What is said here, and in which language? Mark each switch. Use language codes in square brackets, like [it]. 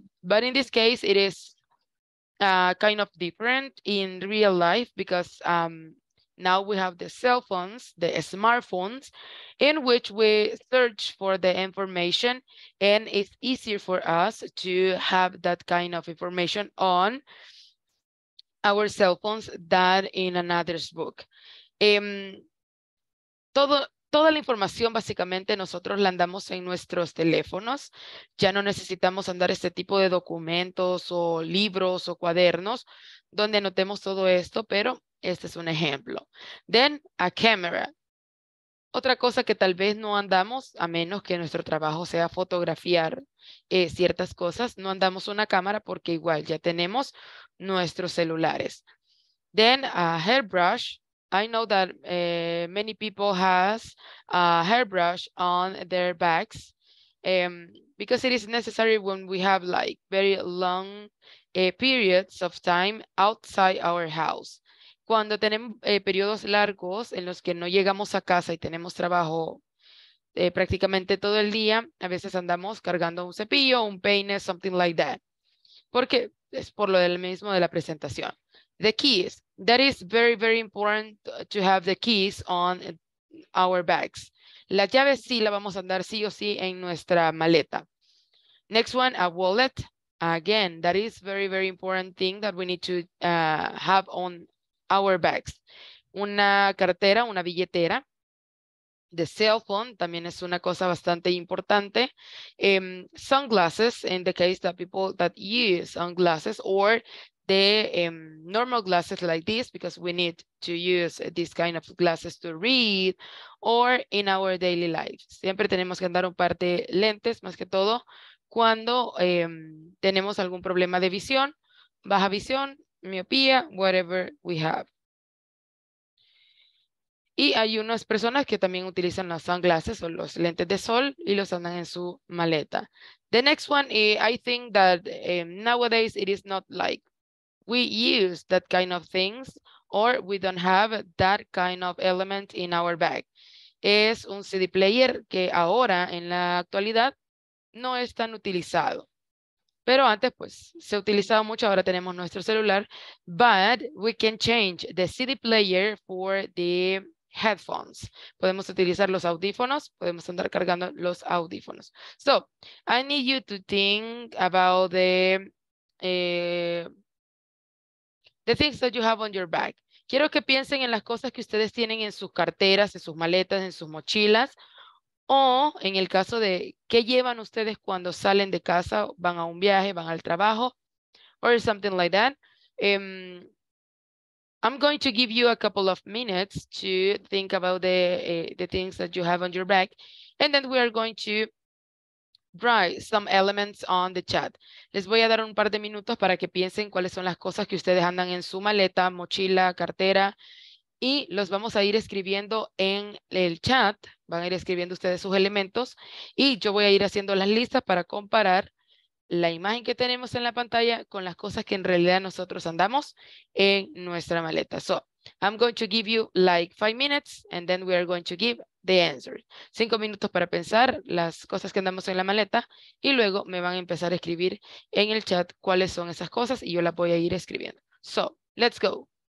[en] But in this case, it is kind of different in real life because now we have the cell phones, the smartphones, in which we search for the information, and it's easier for us to have that kind of information on our cell phones than in an address book. [es] Toda la información básicamente nosotros la andamos en nuestros teléfonos. Ya no necesitamos andar este tipo de documentos o libros o cuadernos donde anotemos todo esto, pero este es un ejemplo. [en] Then, a camera. [es] Otra cosa que tal vez no andamos, a menos que nuestro trabajo sea fotografiar ciertas cosas, no andamos una cámara porque igual ya tenemos nuestros celulares. [en] Then, a hairbrush. I know that many people has a hairbrush on their backs because it is necessary when we have like very long periods of time outside our house. [es] Cuando tenemos periodos largos en los que no llegamos a casa y tenemos trabajo prácticamente todo el día, a veces andamos cargando un cepillo, un peine, [en] something like that. [es] Porque es por lo del mismo de la presentación. [en] The keys. That is very, very important to have the keys on our bags. [es] La llave sí la vamos a andar sí o sí en nuestra maleta. [en] Next one, a wallet. Again, that is very, very important thing that we need to have on our bags. [es] Una cartera, una billetera. [en] The cell phone [es] también es una cosa bastante importante. [en] Sunglasses, in the case that people that use sunglasses or the normal glasses like this, because we need to use this kind of glasses to read or in our daily life. [es] Siempre tenemos que andar un par de lentes, más que todo, cuando tenemos algún problema de visión, baja visión, miopía, [en] whatever we have. [es] Y hay unas personas que también utilizan las sunglasses o los lentes de sol y los andan en su maleta. [en] The next one, I think that nowadays it is not like we use that kind of things or we don't have that kind of element in our bag. [es] es un CD player que ahora en la actualidad no es tan utilizado. Pero antes, pues, se utilizaba mucho, ahora tenemos nuestro celular. [en] But we can change the CD player for the headphones. [es] Podemos utilizar los audífonos, podemos andar cargando los audífonos. [en] So, I need you to think about the things that you have on your bag. [es] Quiero que piensen en las cosas que ustedes tienen en sus carteras, en sus maletas, en sus mochilas. O en el caso de qué llevan ustedes cuando salen de casa, van a un viaje, van al trabajo, [en] or something like that. I'm going to give you a couple of minutes to think about the things that you have on your back, and then we are going to write some elements on the chat. [es] Les voy a dar un par de minutos para que piensen cuáles son las cosas que ustedes andan en su maleta, mochila, cartera. Y los vamos a ir escribiendo en el chat. Van a ir escribiendo ustedes sus elementos. Y yo voy a ir haciendo las listas para comparar la imagen que tenemos en la pantalla con las cosas que en realidad nosotros andamos en nuestra maleta. [en] So, I'm going to give you like 5 minutes and then we are going to give the answer. [es] 5 minutos para pensar las cosas que andamos en la maleta. Y luego me van a empezar a escribir en el chat cuáles son esas cosas y yo las voy a ir escribiendo. [en] So, let's go.